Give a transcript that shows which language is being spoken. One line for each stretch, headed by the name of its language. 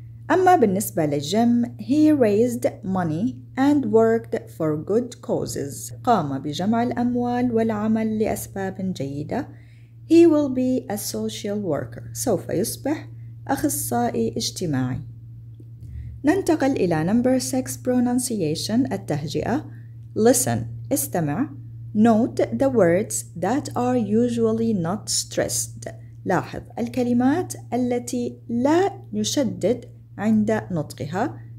Arabic: أما بالنسبة لجيم:
English: He raised money and worked for good causes.
Arabic: قام بجمع الأموال والعمل لأسباب جيدة.
English: He will be a social worker.
Arabic: سوف يصبح أخصائي اجتماعي. ننتقل إلى number 6 pronunciation التهجئة.
English: Listen,
Arabic: استمع.
English: Note the words that are usually not stressed.
Arabic: لاحظ الكلمات التي لا نشدد عند نطقها.